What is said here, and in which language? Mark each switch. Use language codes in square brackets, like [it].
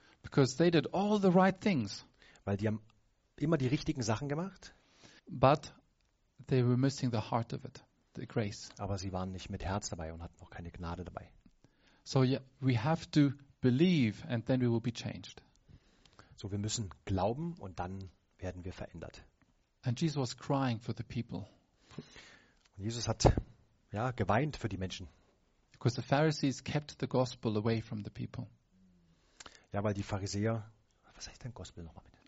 [en] Because they did all the right things. [de] Weil die haben immer die richtigen Sachen gemacht. [en] But they were missing the heart of it, the grace. [de] Aber sie waren nicht mit Herz dabei und hatten auch keine Gnade dabei. [en] So yeah, we have to believe and then we will be changed. [de] So wir müssen glauben und dann werden wir verändert. [en] And Jesus was crying for the people. [de] Und Jesus hat ja geweint für die Menschen. [en] Because the Pharisees kept the gospel away from the people. [de] Ja, weil die Pharisäer, was heißt denn Gospel nochmal mit?